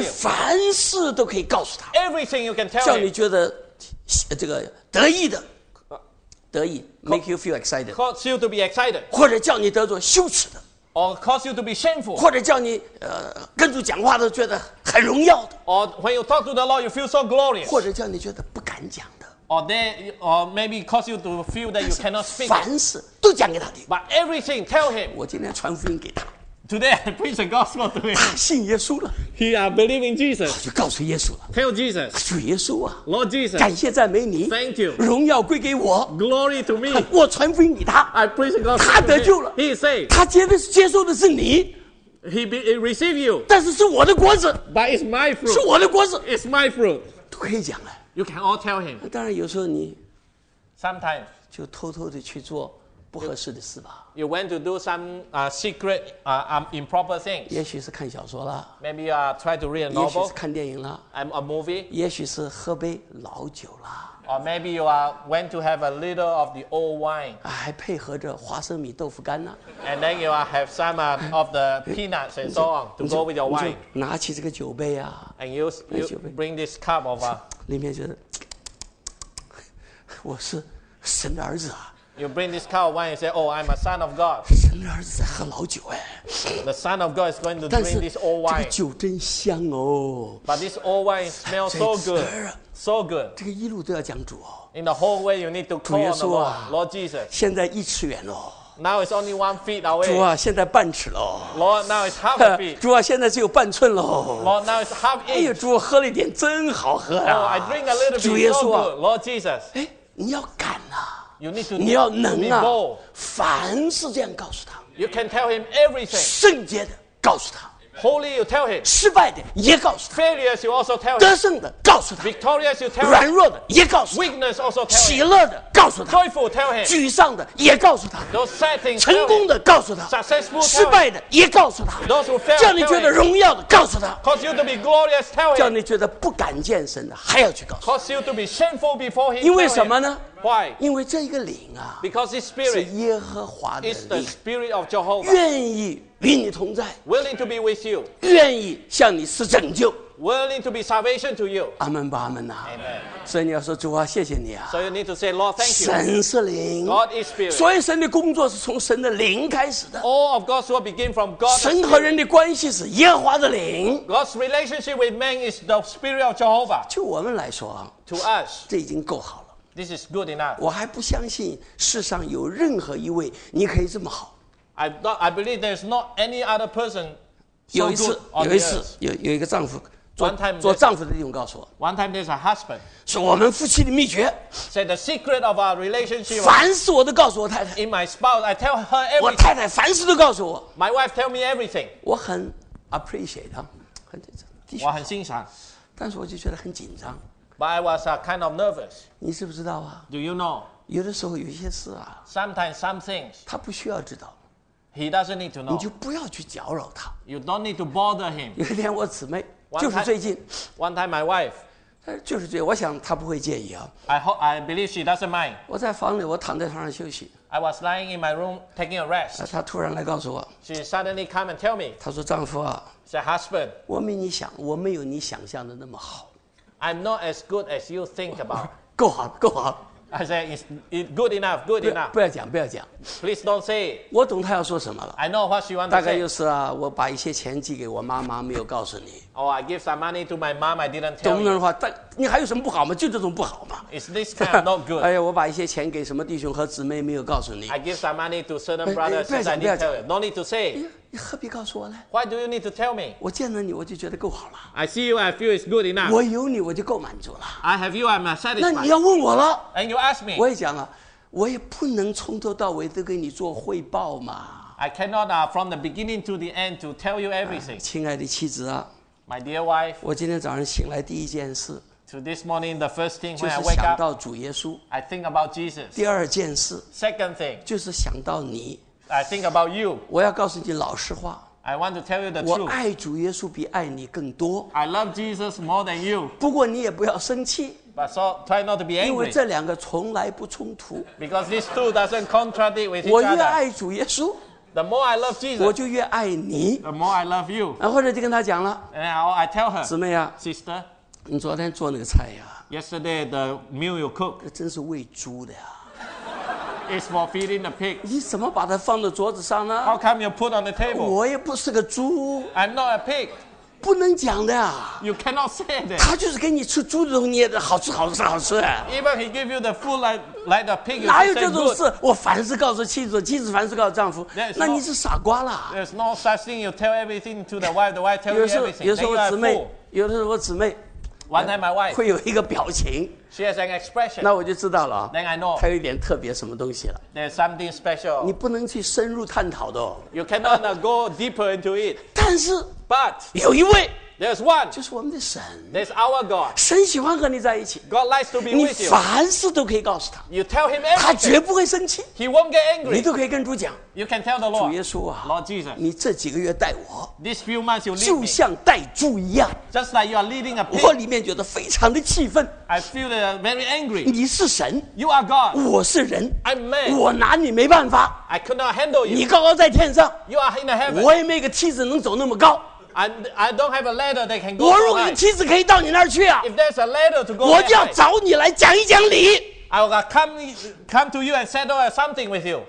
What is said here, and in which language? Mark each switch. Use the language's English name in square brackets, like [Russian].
[Chinese] 你凡事都可以告诉他 [English] ，Everything you can tell。 [Chinese] 叫你觉得这个得意的。得意 ， [English] make you feel excited， cause you to be excited， [Chinese] 或者叫你得做羞耻的 [English] ，or cause you to be shameful， [Chinese] 或者叫你跟主讲话都觉得很荣耀的 [English] ，or when you talk to the Lord you feel so glorious， [Chinese] 或者叫你觉得不敢讲的 [English] ，or then or maybe cause you to feel that you cannot speak， [Chinese] 凡事都讲给他听 [English] ，but everything tell him， [Chinese] 我今天传福音给他 [English] ，today I preach the gospel to him， [Chinese] 他信耶稣了 [English] ，he are believing Jesus， [Chinese] 就告诉耶稣了 [English] ，tell Jesus， [Chinese] 主耶稣啊 [English] ，Lord Jesus， [Chinese] 感谢赞美你 [English] ，thank you， [Chinese] 荣耀归给我 [English] ，glory to me， [Chinese] 我传福音给他 [English] ，I preach the gospel， [Chinese] 他得救了 [English] ，he is saved， [Chinese] 他接受的是你 [English] ，he be receive you， [Chinese] 但是我的果子 [English] ，but it's my fruit， [Chinese] 是我的果子 [English] ，it's my fruit， [Chinese] 都可以讲了 [English] ，you can all tell him， [Chinese] 当然有时候你 [English] ，sometimes [Chinese] 就偷偷的去做。不合适的事吧。 [English] You went to do some secret improper things. [Chinese] 也许是看小说了。 [English] Maybe you try to read a novel. [Chinese] 也许是看电影了。 [English] I'm a movie. [Chinese] 也许是喝杯老酒了。 [English] Or maybe you went to have a little of the old wine. [Chinese] 还配合着花生米豆腐干呢。 [English] And then you have some of the peanuts and so on to go with your wine. [Chinese] 拿起这个酒杯啊。 [English] And you bring this cup of [Chinese] 里面就是，我是神的儿子啊。 [English] You bring this cup of wine and say, "Oh, I'm a son of God." [Chinese] 神的儿子在喝老酒哎。 [English] The son of God is going to drink this old wine. [Chinese] 但是这个酒真香哦。 [English] But this old wine smells so good. So good. [Chinese] 这个一路都要讲主哦。 [English] In the whole way, you need to call on the Lord, Lord Jesus. [Chinese] 现在一尺远哦。 [English] Now it's only 1 feet away. [Chinese] 主啊，现在半尺喽。 [English] Lord, now it's half a feet. [Chinese] 主啊，现在只有半寸喽。 [English] Lord, now it's half inch. [Chinese] 哎呀，主，喝了一点真好喝呀。 [English] Oh, I drink a little bit. [Chinese] 主耶稣啊 [English] ，Lord Jesus. [Chinese] 哎，你要敢呐。 [English] You need to [Chinese] 你要能啊，凡事这样告诉他。 [English] You can tell him everything. [Chinese] 圣洁的告诉他。 [English] Holy, you tell him. [Chinese] 失败的也告诉他。 [English] Failures, you also tell him. [Chinese] 得胜的告诉他。 [English] Victorious, you tell him. [Chinese] 软弱的也告诉他。 [English] Weakness, also tell him. [Chinese] 喜乐的告诉他。 [English] Joyful, tell him. [Chinese] 沮丧的也告诉他。 [English] Those sad things, tell him. [Chinese] 成功的告诉他。 [English] Successful, tell him. [Chinese] 失败的也告诉他。 [English] Those who fail, [Chinese] 叫你觉得荣耀的告诉他。 [English] Cause you to be glorious, tell him. [Chinese] 叫你觉得不敢见神的还要去告诉他。 [English] Cause you to be shameful before him. [Chinese] 因为什么呢？ [English] Why? [Chinese] 因为这一个灵啊 [English] Because this spirit [Chinese] 是耶和华的灵 [English] is the spirit of Jehovah [Chinese] 愿意与你同在 [English] willing to be with you [Chinese] 愿意向你施拯救 [English] willing to be salvation to you [Chinese] 阿们吧阿们啊 [English] Amen. [Chinese] 所以你要说主啊谢谢你啊 [English] so you need to say Lord thank you [Chinese] 神是灵 [English] God is spirit [Chinese] 所以神的工作是从神的灵开始的 [English] all of God's work begin from God [Chinese] 神和人的关系是耶和华的灵 [English] God's relationship with man is the spirit of Jehovah [Chinese] 就我们来说啊 [English] to us [Chinese] 这已经够好了 [English] This is good enough. [Chinese] 我还不相信世上有任何一位你可以这么好。 [English] I believe there's not any other person. [Chinese] 有一次，有一个丈夫做丈夫的弟兄告诉我 [English] ，One time there's a husband， [Chinese] 是我们夫妻的秘诀。 [English] Said the secret of our relationship。 [Chinese] 凡事我都告诉我太太。 [English] In my spouse, I tell her everything。 [Chinese] 我太太凡事都告诉我。 [English] My wife tell me everything。 [Chinese] 我很 appreciate 很真诚。我很欣赏，但是我就觉得很紧张。 [English] But I was a kind of nervous。 [Chinese] 你知不知道啊 [English] ？Do you know？ [Chinese] 有的时候有些事啊 [English] ，Sometimes some things， [Chinese] 他不需要知道。 [English] He doesn't need to know。 [Chinese] 你就不要去搅扰他。 [English] You don't need to bother him。 [Chinese] 有一天我姊妹。就是最近 [English] ，One time my wife， [Chinese] 就是最，我想她不会介意啊。 [English] I hope I believe she doesn't mind。 [Chinese] 我在房里，我躺在床上休息。 [English] I was lying in my room taking a rest。 [Chinese] 她突然来告诉我。 [English] She suddenly come and tell me。 [Chinese] 她说：“丈夫啊。 [English] ”Said husband。 [Chinese] 我没你想，我没有你想象的那么好。 [English] I'm not as good as you think about。 [Chinese] 够好了，够好了。 [English] I said it's good enough, good enough。 [Chinese] 不要讲，不要讲。 [English] Please don't say。 [Chinese] 我懂她要说什么了。 [English] I know what she wants to say。 [Chinese] 大概就是啊，我把一些钱寄给我妈妈，没有告诉你。 [English] Oh, I give some money to my mom. I didn't tell you. [Chinese] 懂不懂的话？但你还有什么不好吗？就这种不好吗 [English] ？Is this kind of not good? [Chinese] 哎呀，我把一些钱给什么弟兄和姊妹，没有告诉你。 [English] I give some money to certain brothers. [Chinese] 不要讲，不要讲。 [English] No need to say. [Chinese] 你何必告诉我呢 [English] ？Why do you need to tell me? [Chinese] 我见了你，我就觉得够好了。 [English] I see you. I feel it's good enough. [Chinese] 我有你，我就够满足了。 [English] I have you. I'm satisfied. [Chinese] 那你要问我了。 [English] And you ask me. [Chinese] 我也讲了，我也不能从头到尾都给你做汇报嘛。 [English] I cannot from the beginning to the end to tell you everything. [Chinese] 亲爱的妻子啊。 [English] My dear wife， [Chinese] 我今天早上醒来第一件事 [English] ，To this morning the first thing when I wake up， [Chinese] 就是想到主耶稣 [English] ，I think about Jesus。 [Chinese] 第二件事 [English] ，Second thing， [Chinese] 就是想到你 [English] ，I think about you。 [Chinese] 我要告诉你老实话 [English] ，I want to tell you the truth。 [Chinese] 我爱主耶稣比爱你更多 [English] ，I love Jesus more than you。 [Chinese] 不过你也不要生气 [English] ，But so try not to be angry。 [Chinese] 因为这两个从来不冲突 [English] ，Because these two doesn't contradict with each other。 [Chinese] 我越爱主耶稣。 [English] The more I love Jesus， [Chinese] 我就越爱你。 [English] The more I love you， [Chinese] 或者就跟他讲了。 [English] And I tell her， [Chinese] 姊妹啊 [English] ，Sister， [Chinese] 你昨天做那个菜呀 [English] ？Yesterday the meal you cook， [Chinese] 这真是喂猪的呀。 [English] It's for feeding the pigs。 [Chinese] 你怎么把它放到桌子上呢 [English] ？How come you put on the table？ [Chinese] 我也不是个猪。 [English] I'm not a pig。 [Chinese] 不能讲的啊。 [English] You cannot say that。 [Chinese] 他就是给你吃猪的东西，也好吃，好吃，好吃。 [English] Even he give you the food like the pig， [Chinese] 哪有这种事？我凡事告诉妻子，妻子凡事告诉丈夫。那你是傻瓜了。 [English] There's no such thing. You tell everything to the wife. The wife tell you everything. [Chinese] 有时候我姊妹 [English] ，One time my wife [Chinese] 会有一个表情。 [English] She has an expression。 [Chinese] 那我就知道了。 [English] Then I know [Chinese] 她有一点特别什么东西了。 [English] There's something special。 [Chinese] 你不能去深入探讨的。 [English] You cannot go deeper into it。 [Chinese] 但是 [English] ，But [Chinese] 有一位。 [English] There's one， [Chinese] 就是我们的神。 [English] There's our God， [Chinese] 神喜欢和你在一起。 [English] God likes to be with you， [Chinese] 你凡事都可以告诉他。 [English] You tell him everything， [Chinese] 他绝不会生气。 [English] He won't get angry， [Chinese] 你都可以跟主讲。 [English] You can tell the Lord， [Chinese] 主耶稣啊 [English] ，Lord Jesus， [Chinese] 你这几个月带我 [English] ，These few months you lead me， [Chinese] 就像带猪一样。 [English] Just like you are leading a pig， [Chinese] 我里面觉得非常的气愤。 [English] I feel very angry， [Chinese] 你是神 [English] ，You are God， [Chinese] 我是人 [English] ，I'm man， [Chinese] 我拿你没办法。 [English] I could not handle you， [Chinese] 你高高在天上 [English] ，You are in the heaven， [Chinese] 我也没个梯子能走那么高。 [English] I don't have a ladder that can go. [Chinese] 我如果有妻子可以到你那儿去啊 [English] ！If there's a ladder to go, [Chinese] 我就要找你来讲一讲理。 [English] I will come to you and settle something with you.